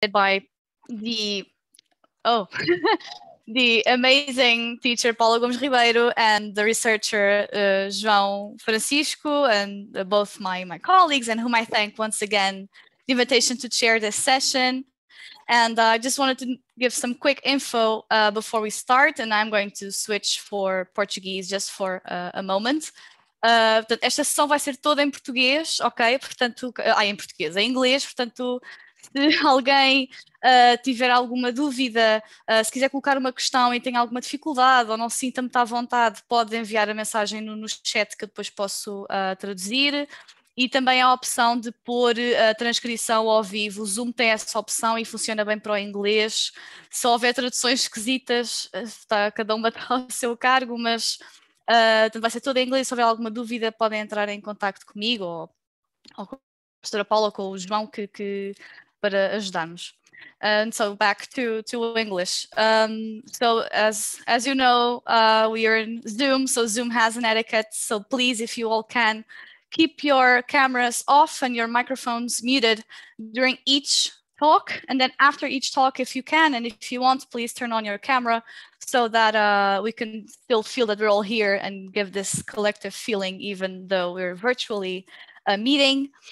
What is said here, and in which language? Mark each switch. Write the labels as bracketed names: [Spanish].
[English] by the the amazing teacher Paulo Gomes Ribeiro and the researcher João Francisco, and both my colleagues, and whom I thank once again the invitation to chair this session. And I just wanted to give some quick info before we start, and I'm going to switch for Portuguese just for a moment. [Portuguese] Portanto, esta sessão vai ser toda em português, ok? Portanto, em português, em inglês, portanto, se alguém tiver alguma dúvida, se quiser colocar uma questão e tem alguma dificuldade ou não sinta-me estar à vontade, pode enviar a mensagem no chat que eu depois posso traduzir. E também há a opção de pôr a transcrição ao vivo. O Zoom tem essa opção e funciona bem para o inglês. Se houver traduções esquisitas, está cada uma ao seu cargo, mas vai ser tudo em inglês. Se houver alguma dúvida, podem entrar em contacto comigo ou com a professora Paula ou com o João que para ajudar-nos. [English] And so back to English. So as you know, we are in Zoom, so Zoom has an etiquette. So please, if you all can, keep your cameras off and your microphones muted during each talk. And then after each talk, if you can, and if you want, please turn on your camera so that we can still feel that we're all here and give this collective feeling, even though we're virtually meeting.